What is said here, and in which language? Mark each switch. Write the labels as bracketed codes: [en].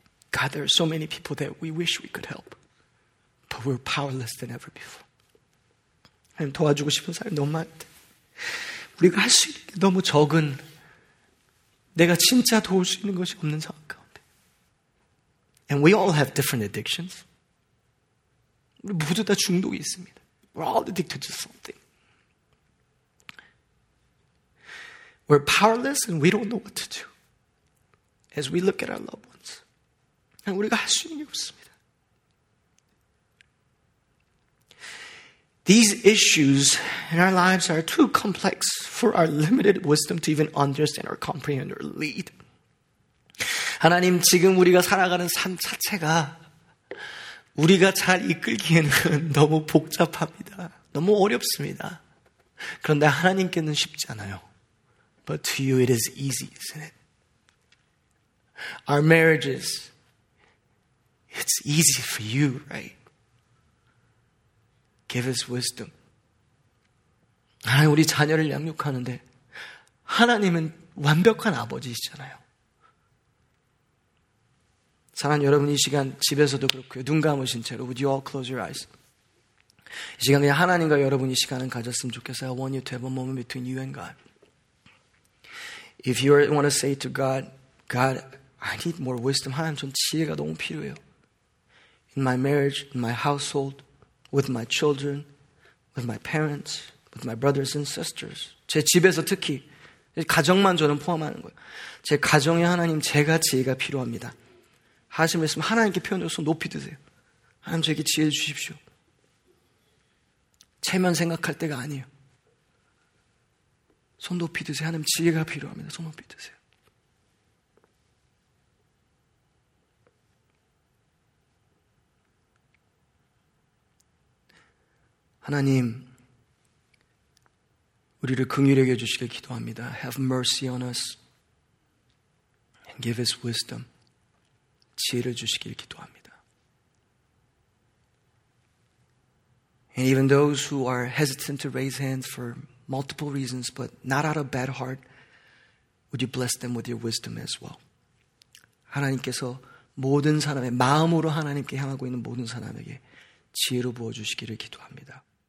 [en] God, there are so many people that we wish we could help, but we're powerless than ever before. [ko] 하나님 도와주고 싶은 사람이 너무 많은데 우리가 할 수 있는 게 너무 적은 내가 진짜 도울 수 있는 것이 없는 상황 가운데. [en] And we all have different addictions. [ko] 우리 모두 다 중독이 있습니다. [en] We're all addicted to something. We're powerless and we don't know what to do. As we look at our loved ones. [ko] 아니, 우리가 할 수 있는 게 없습니다. [en] These issues in our lives are too complex for our limited wisdom to even understand or comprehend or lead. [ko] 하나님, 지금 우리가 살아가는 삶 자체가 우리가 잘 이끌기에는 너무 복잡합니다. 너무 어렵습니다. 그런데 하나님께는 쉽지 않아요. [en] But to you it is easy, isn't it? Our marriages, it's easy for you, right? Give us wisdom. [ko] 하나님, 우리 자녀를 양육하는데 하나님은 완벽한 아버지이시잖아요. 사랑하는 여러분, 이 시간 집에서도 그렇고요. 눈 감으신 채로 [en] Would you all close your eyes? [ko] 이 시간 그냥 하나님과 여러분이 시간을 가졌으면 좋겠어요. [en] I want you to have a moment between you and God. If you want to say to God, God, I need more wisdom. 하나님, 전 지혜가 너무 필요해요. In my marriage, in my household, with my children, with my parents, with my brothers and sisters. [ko] 제 집에서 특히 가정만 저는 포함하는 거예요. 제 가정에 하나님 제가 지혜가 필요합니다. 하신 말씀 하나님께 표현해서 높이 드세요. 하나님 저에게 지혜 주십시오. 체면 생각할 때가 아니에요. 손 높이 드세요. 하나님 지혜가 필요합니다. 손 높이 드세요. 하나님, 우리를 긍휼히 여겨주시길 기도합니다. [en] Have mercy on us and give us wisdom. [ko] 지혜를 주시길 기도합니다. [en] And even those who are hesitant to raise hands for multiple reasons, but not out of bad heart, would you bless them with your wisdom as well? [ko] 하나님께서 모든 사람의 마음으로 하나님께 향하고 있는 모든 사람에게 지혜로 부어주시기를 기도합니다.